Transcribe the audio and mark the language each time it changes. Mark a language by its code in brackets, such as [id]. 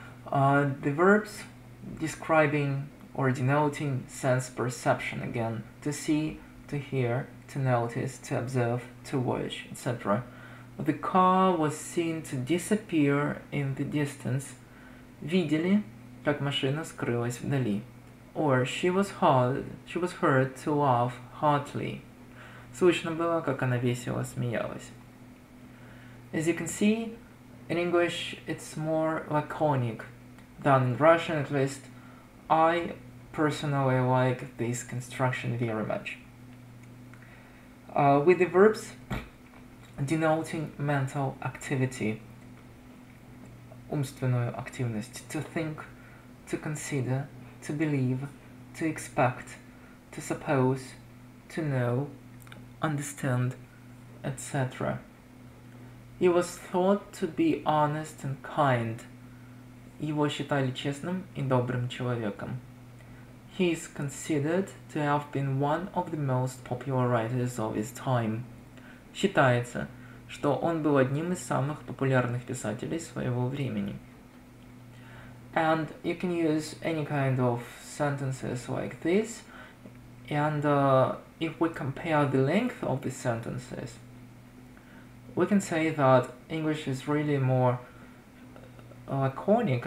[en] The verbs describing or denoting sense perception, again, to see, to hear, to notice, to observe, to watch, etc. The car was seen to disappear in the distance. [ru] Видели, как машина скрылась вдали. [en] Or she was heard to laugh heartily. [ru] Слышно было, как она весело смеялась. [en] As you can see, in English it's more laconic than in Russian, at least. I personally like this construction very much. With the verbs denoting mental activity, [ru] умственную активность, [en] to think, to consider, to believe, to expect, to suppose, to know, understand, etc. He was thought to be honest and kind. [ru] Его считали честным и добрым человеком. [en] He is considered to have been one of the most popular writers of his time. [ru] Считается, что он был одним из самых популярных писателей своего времени. [en] And you can use any kind of sentences like this. And if we compare the length of the sentences, we can say that English is really more laconic.